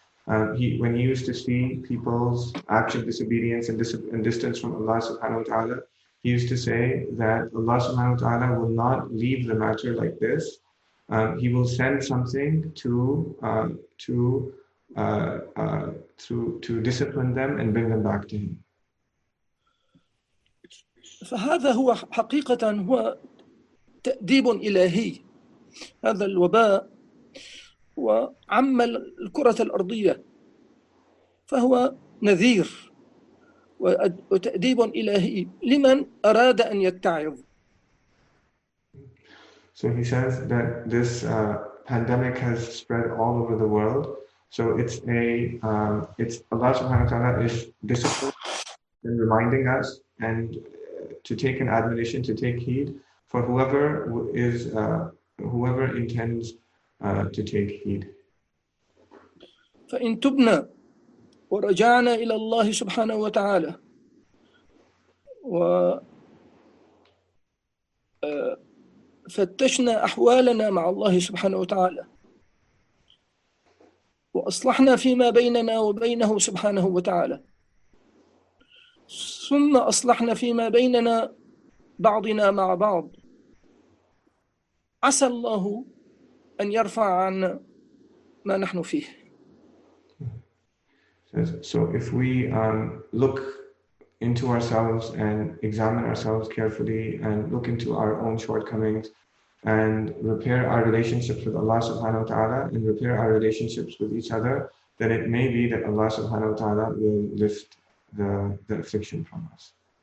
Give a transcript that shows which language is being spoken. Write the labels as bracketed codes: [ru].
[en] When he used to see people's acts of disobedience and distance from Allah subhanahu wa ta'ala, he used to say that Allah subhanahu wa ta'ala will not leave the matter like this. He will send something to discipline them and bring them back to him. [ar] فهذا هو حقيقة هو تأديب إلهي. هذا الوباء هو عم الكرة الأرضية، فهو نذير وتأديب إلهي لمن أراد أن يتعظ. [en] So he says that this pandemic has spread all over the world. So it's Allah subhanahu wa ta'ala is disciplining and reminding us and to take an admonition, to take heed for whoever intends to take heed. [ar] فَإِن تُبْنَا ورجعنا إلى الله سبحانه وتعالى وفتشنا أحوالنا مع الله سبحانه وتعالى وأصلحنا فيما بيننا وبينه سبحانه وتعالى ثم أصلحنا فيما بيننا بعضنا مع بعض عسى الله أن يرفع عنا ما نحن فيه. [en] So if we look into ourselves and examine ourselves carefully and look into our own shortcomings and repair our relationships with Allah subhanahu wa ta'ala and repair our relationships with each other, then it may be that Allah subhanahu wa ta'ala will lift the affliction from us.